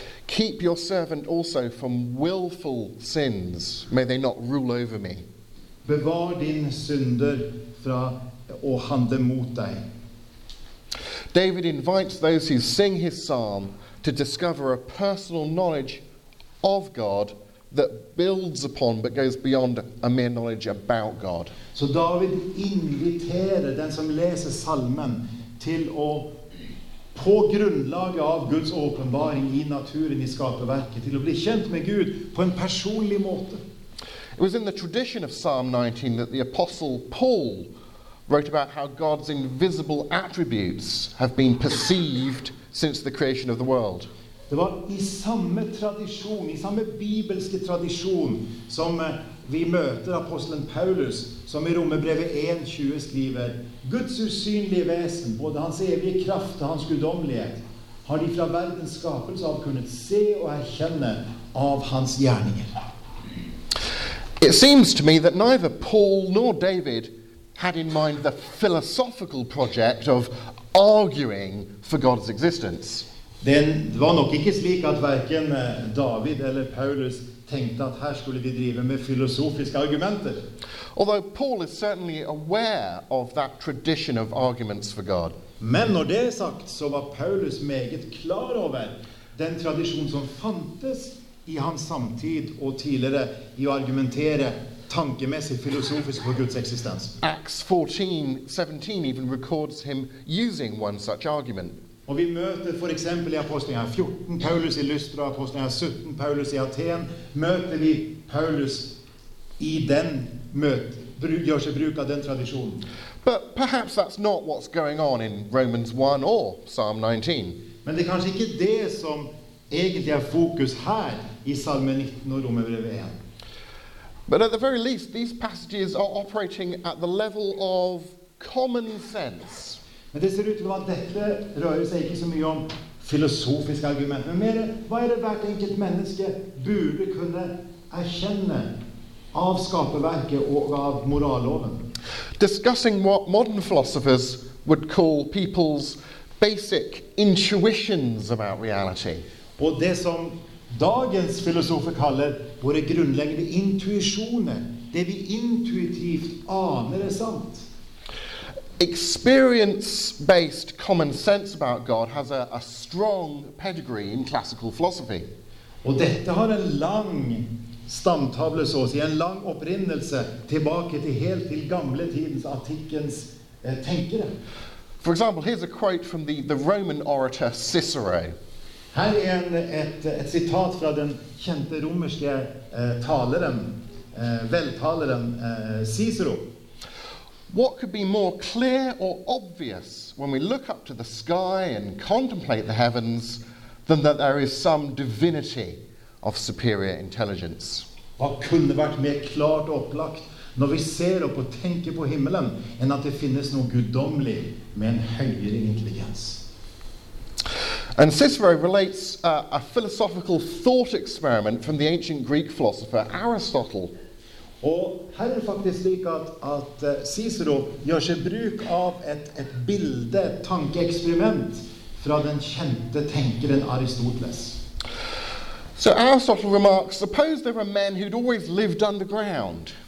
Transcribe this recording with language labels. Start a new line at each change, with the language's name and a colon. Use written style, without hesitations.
English: Keep your servant also from willful sins. May they not rule over me.
Norwegian: Bevar din synder fra å handle mot deg.
English: David invites those who sing his psalm to discover a personal knowledge of God that builds upon but goes beyond a mere knowledge about God.
Swedish: Så David inviterer den som läser psalmen till att på grundlag av Guds uppenbarelse i naturen i skapelverket till att bli känd med Gud på en personlig måte.
English: It was in the tradition of Psalm 19 that the apostle Paul wrote about how God's invisible attributes have been perceived since the creation of the world.
Swedish: Det var i samma tradition, i samma bibelska tradition som vi möter aposteln Paulus som i Romarbrevet 1:20 skriver, Guds osynliga väsen, både hans eviga kraft och hans gudomlighet, har de från världens skapelse av kunnat se och erkänna av hans gärningar.
English: It seems to me that neither Paul nor David had in mind the philosophical project of arguing for God's existence.
Swedish: Det var nog inte slik att varken David eller Paulus tänkte att här skulle vi driva med filosofiska argumenter.
English: Although Paul is certainly aware of that tradition of arguments for God.
Swedish: Men när det är sagt så var Paulus meget klar över den tradition som fanns i hans samtid och tidigare i att argumentera tankemässigt filosofiskt för Guds existens.
English: Acts 14:17 even records him using one such argument.
Swedish: Och vi möter för exempel i apostlarna 14 Paulus i Lystra, apostlarna 17 Paulus i Aten, möter vi Paulus i den mötet, gör sig bruk av den traditionen.
English: But perhaps that's not what's going on in Romans 1 or Psalm 19.
Swedish: Men det kanske inte det som egentligen är fokus här i Psalmen 19 och Romarbrevet 1.
English: But at the very least, these passages are operating at the level of common sense.
Swedish: Men det ser ut som att detta rör sig inte så mycket om filosofiska argument, men mer vad är det vart enkelt människa borde kunna erkänna av skapelverket och av moralloven.
English: Discussing what modern philosophers would call people's basic intuitions about reality.
Swedish: Och det som dagens filosofer kallar våra grundläggande intuitioner, det vi intuitivt anar är sant.
English: Experience-based common sense about God has a strong pedigree in classical philosophy.
Swedish: Och detta har en lång stamtavla, så att säga, en lång upprinnelse tillbaka till helt till gamla tidens antikens tänkare.
English: For example, here's a quote from the Roman orator Cicero.
Swedish: Här är ett citat från den kända romerska talaren, vältalaren Cicero.
English: What could be more clear or obvious when we look up to the sky and contemplate the heavens than that there is some divinity of superior intelligence?
Swedish: Vad kunde varit mer klart och upplagt när vi ser upp och tänker på himlen än att det finns någon gudomlig med en högre intelligens?
English: And Cicero relates a philosophical thought experiment from the ancient Greek philosopher Aristotle.
Swedish: Och här är faktiskt lika att Cicero gör sig bruk av ett bilde, ett tankeexperiment från den kända tänkaren Aristoteles.
English: So Aristotle remarks, suppose there were men who'd always lived underground.